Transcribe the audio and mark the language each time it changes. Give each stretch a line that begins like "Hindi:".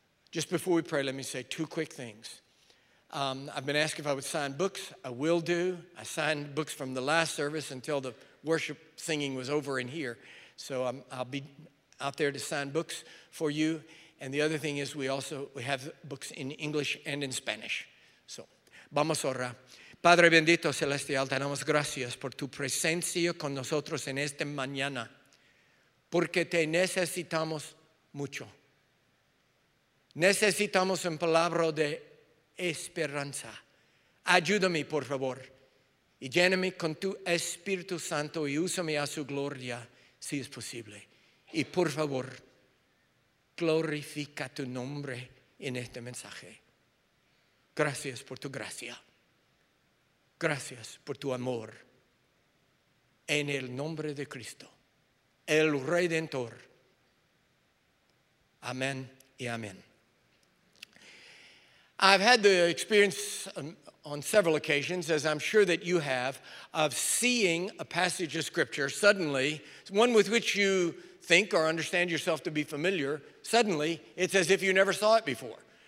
English: Just before we pray, let me say two quick things. I've been asked if I would sign books. I will do. I signed books from the last service until the worship singing was over in here. So I'll be out there to sign books for you. And the other thing is we have books in English and in Spanish. So,
Spanish: vamos a orar. Padre bendito celestial, te damos gracias por tu presencia con nosotros en esta mañana. Porque te necesitamos mucho. Necesitamos un palabra de esperanza. Ayúdame, por favor, y lléname con tu Espíritu Santo y úsame a su gloria, si es posible. Y por favor, glorifica tu nombre en este mensaje. Gracias por tu gracia. Gracias por tu amor. En el nombre de Cristo, el Redentor. Amén y amén.
English: I've had the experience on several occasions, as I'm sure that you have, of seeing a passage of Scripture suddenly, one with which you think or understand yourself to be familiar, suddenly it's as if you never saw it before.